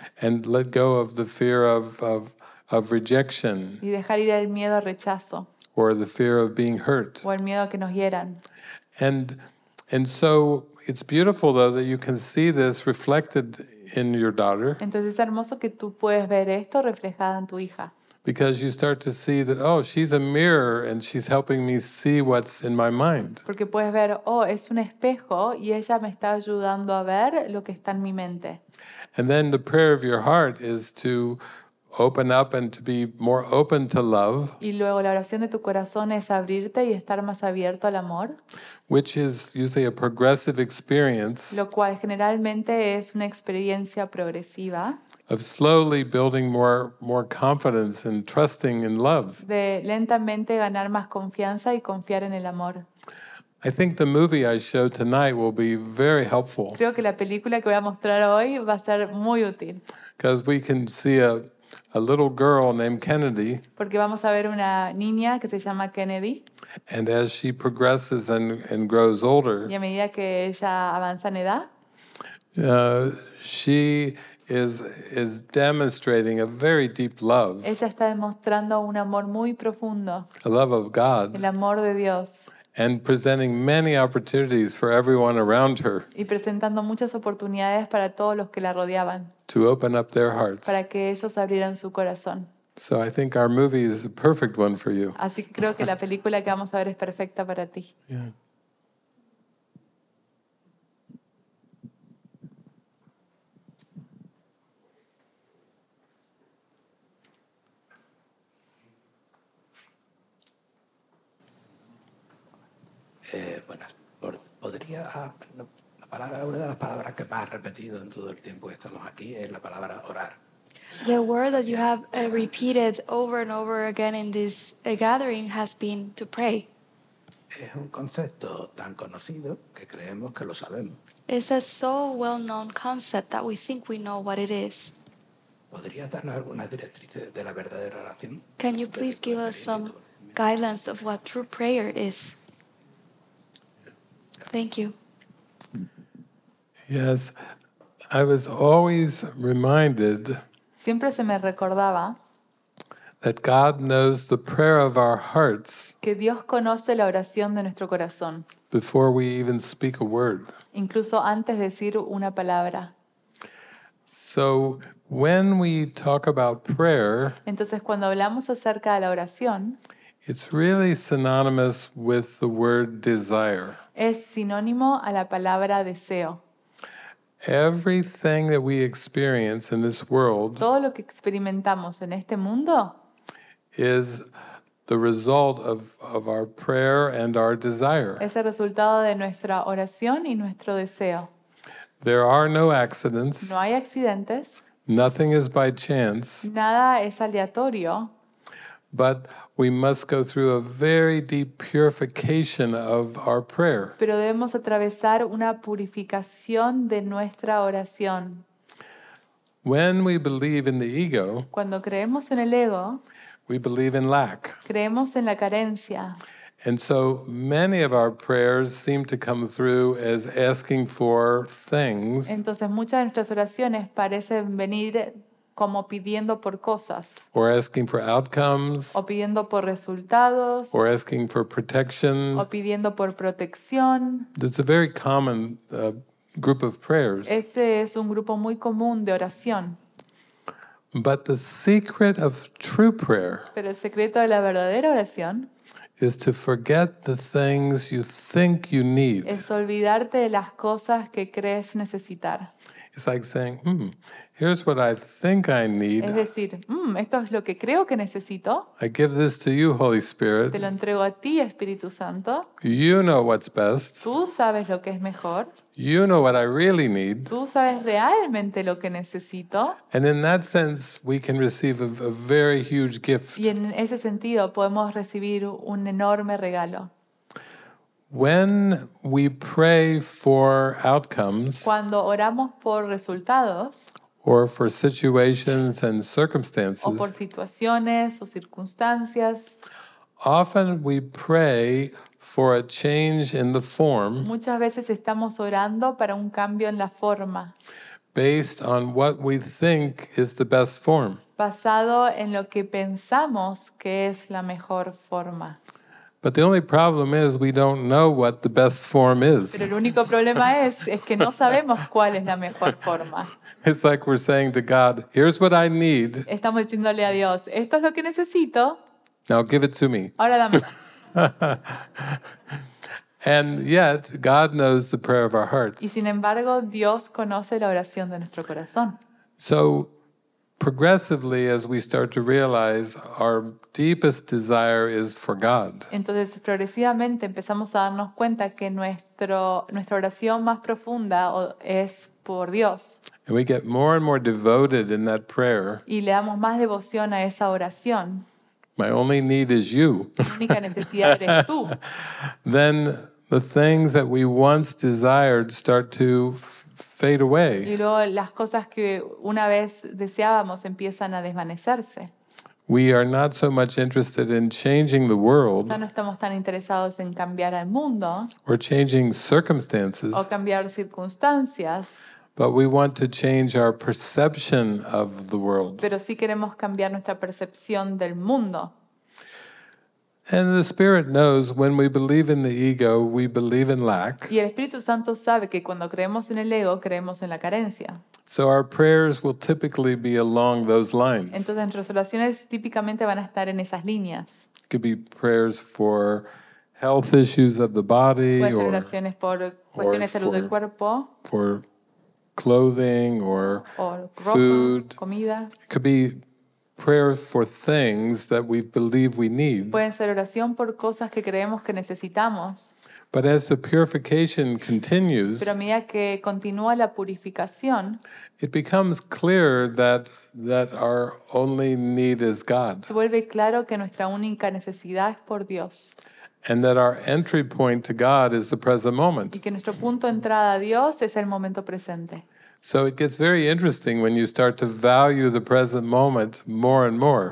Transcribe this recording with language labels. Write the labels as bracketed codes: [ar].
[en] And let go of the fear of rejection. [es] Y dejar ir el miedo al rechazo. [en] Or the fear of being hurt. [es] O el miedo a que nos hieran. [en] And so it's beautiful though that you can see this reflected in your daughter. [es] Entonces es hermoso que tú puedes ver esto reflejado en tu hija. [en] Because you start to see that oh, she's a mirror and she's helping me see what's in my mind. [es] Porque puedes ver oh, es un espejo y ella me está ayudando a ver lo que está en mi mente. [en] And then the prayer of your heart is to open up and to be more open to love. [es] Y luego la oración de tu corazón es abrirte y estar más abierto al amor. [en] Which is usually a progressive experience. [es] Lo cual generalmente es una experiencia progresiva. [en] Of slowly building more confidence and trusting in love. [es] De lentamente ganar más confianza y confiar en el amor. [en] I think the movie I show tonight will be very helpful. [es] Creo que la película que voy a mostrar hoy va a ser muy útil. [en] Because we can see a little girl named Kennedy. [es] Porque vamos a ver una niña que se llama Kennedy. [en] And as she progresses and grows older, [es] y a medida que ella avanza en edad, [en] she is demonstrating a very deep love. [es] Ella está demostrando un amor muy profundo. [en] A love of God. [es] El amor de Dios. [en] And presenting many opportunities for everyone around her. [es] Y presentando muchas oportunidades para todos los que la rodeaban. [en] To open up their hearts. [es] Para que ellos abrieran su corazón. [en] So I think our movie is a perfect one for you. [es] Así que creo que la película que vamos a ver es perfecta para ti. [en] Yeah. [es] Buenas. ¿Podría la palabra, una de las palabras que más repetido en todo el tiempo que estamos aquí es la palabra orar? [en] The word that you have repeated over and over again in this gathering has been to pray. [es] Es un concepto tan conocido que creemos que lo sabemos. [en] It's a so well-known concept that we think we know what it is. [es] ¿Podría darnos alguna directriz de la verdadera oración? [en] Can you please give us some guidelines of what true prayer is? Thank you. Yes, I was always reminded. [es] Siempre se me recordaba [en] that God knows the prayer of our hearts. [es] Que Dios conoce la oración de nuestro corazón. [en] Before we even speak a word. [es] Incluso antes de decir una palabra. [en] So when we talk about prayer. [es] Entonces cuando hablamos acerca de la oración. [en] It's really synonymous with the word desire. [es] Es sinónimo a la palabra deseo. [en] Everything that we experience in this world, [es] todo lo que experimentamos en este mundo, [en] is the result of our prayer and our desire. [es] Es el resultado de nuestra oración y nuestro deseo. [en] There are no accidents. [es] No hay accidentes. [en] Nothing is by chance. [es] Nada es aleatorio. [en] But we must go through a very deep purification of our prayer. [es] Pero debemos atravesar una purificación de nuestra oración. [en] When we believe in the ego, [es] cuando creemos en el ego, [en] we believe in lack. [es] Creemos en la carencia. [en] And so many of our prayers seem to come through as asking for things. [es] Entonces muchas de nuestras oraciones parecen venir como pidiendo por cosas. [en] Or asking for outcomes. [es] O pidiendo por resultados. [en] Or asking for protection. [es] O pidiendo por protección. [en] It's a very common group of prayers. [es] Ese es un grupo muy común de oración. [en] But the secret of true prayer, [es] pero el secreto de la verdadera oración, [en] is to forget the things you think you need. [es] Es olvidarte de las cosas que crees necesitar. [en] It's like saying, here's what I think I need. [es] Es decir, esto es lo que creo que necesito. [en] I give this to you, Holy Spirit. [es] Te lo entrego a ti, Espíritu Santo. [en] You know what's best. [es] Tú sabes lo que es mejor. [en] You know what I really need. [es] Tú sabes realmente lo que necesito. [en] And in that sense, we can receive a very huge gift. [es] Y en ese sentido podemos recibir un enorme regalo. [en] When we pray for outcomes, [es] cuando oramos por resultados, [en] or for situations and circumstances, [es] o por situaciones o circunstancias, [en] often we pray for a change in the form, [es] muchas veces estamos orando para un cambio en la forma, [en] based on what we think is the best form, [es] basado en lo que pensamos que es la mejor forma. [en] But the only problem is we don't know what the best form is. [es] Pero el único problema es que no sabemos cuál es la mejor forma. [en] It's like we're saying to God, here's what I need. [es] Estamos diciéndole a Dios, esto es lo que necesito. [en] Now give it to me. [es] Ahora dámelo. [en] And yet, God knows the prayer of our hearts. [es] Y sin embargo, Dios conoce la oración de nuestro corazón. [en] So, progressively, as we start to realize, our deepest desire is for God. [es] Entonces, progresivamente, empezamos a darnos cuenta que nuestra oración más profunda es por Dios. [en] And we get more and more devoted in that prayer. [es] Y le damos más devoción a esa oración. [en] My only need is you. [es] Mi única necesidad eres tú. [en] Then the things that we once desired start to fade away. [es] Y luego las cosas que una vez deseábamos empiezan a desvanecerse. [en] We are not so much interested in changing the world. [es] Ya no estamos tan interesados en cambiar al mundo. [en] Or changing circumstances. [es] O cambiar circunstancias. [en] But we want to change our perception of the world. [es] Pero sí queremos cambiar nuestra percepción del mundo. [en] And the Spirit knows when we believe in the ego, we believe in lack. [es] Y el Espíritu Santo sabe que cuando creemos en el ego, creemos en la carencia. [en] So our prayers will typically be along those lines. [es] Entonces nuestras oraciones típicamente van a estar en esas líneas. [en] It could be prayers for health issues of the body, [es] puede ser oraciones por cuestiones de salud del cuerpo. [en] For clothing or food. [es] Ropa, comida. [en] It could be prayers for things that we believe we need. [es] Pueden ser oración por cosas que creemos que necesitamos. [en] But as the purification continues, [es] pero a medida que continúa la purificación, [en] it becomes clear that our only need is God. [es] Se vuelve claro que nuestra única necesidad es por Dios. [en] And that our entry point to God is the present moment. [es] Y que nuestro punto de entrada a Dios es el momento presente. [en] So it gets very interesting when you start to value the present moment more and more.